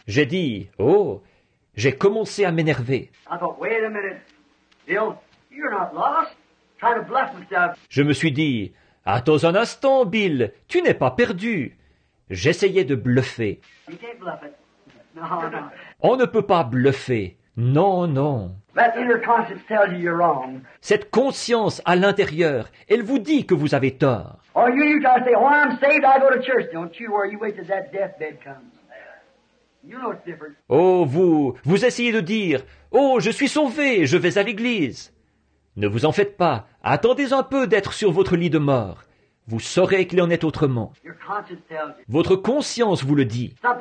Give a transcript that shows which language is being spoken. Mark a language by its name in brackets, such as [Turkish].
[French] J'ai dit, oh, j'ai commencé à m'énerver. [English] I thought, wait a minute, Bill, you're not lost. Try to bluff yourself. [French] Je me suis dit, attends un instant, Bill, tu n'es pas perdu. J'essayais de bluffer. [English] You can't bluff it. No, no. [French] On ne peut pas bluffer. Non, non. [English] That inner conscience tells you you're wrong. [French] Cette conscience à l'intérieur, elle vous dit que vous avez tort. [English] Or you gotta say, oh, I'm saved, I go to church. Don't you worry, you wait till that deathbed comes. You know it's different. [French] Oh, vous essayez de dire, oh, je suis sauvé, je vais à l'église. Ne vous en faites pas. Attendez un peu d'être sur votre lit de mort. Vous saurez qu'il en est autrement. Votre conscience vous le dit.